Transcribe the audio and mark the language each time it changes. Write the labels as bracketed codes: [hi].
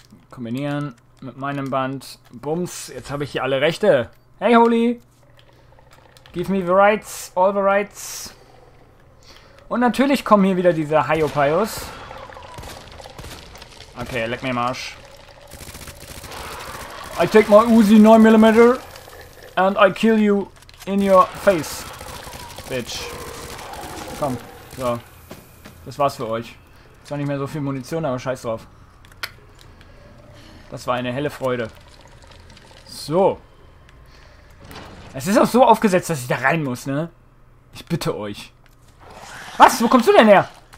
[de] Kombinieren mit meinem Band. Bums. Jetzt habe ich hier alle Rechte. Hey, Holy. [en] Give me the rights. All the rights. [de] Und natürlich kommen hier wieder diese Hiopios. Okay, leck mir im Arsch. [en] I take my Uzi 9mm and I kill you in your face, bitch. [de] Komm, so. Das war's für euch. Zwar nicht mehr so viel Munition, aber scheiß drauf. Das war eine helle Freude. So. Es ist auch so aufgesetzt, dass ich da rein muss, ne? Ich bitte euch. Was? Wo kommst du denn her?